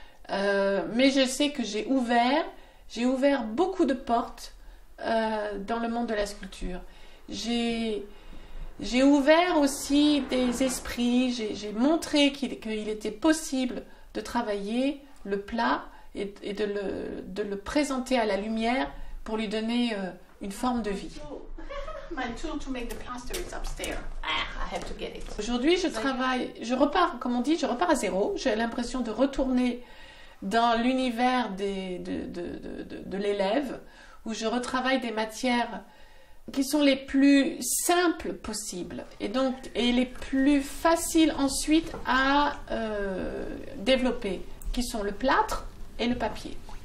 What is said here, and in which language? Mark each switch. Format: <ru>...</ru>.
<fr>Mais je sais que j'ai ouvert beaucoup de portes dans le monde de la sculpture. J'ai ouvert aussi des esprits, j'ai montré qu'il était possible de travailler le plat et de le présenter à la lumière pour lui donner une forme de vie.</fr> <en>My tool to make the plaster is upstairs. Ah, I have to get it.</en> <fr>Aujourd'hui, je repars à zéro. J'ai l'impression de retourner dans l'univers de l'élève où je retravaille des matières qui sont les plus simples possibles et les plus faciles ensuite à développer, qui sont le plâtre et le papier.</fr>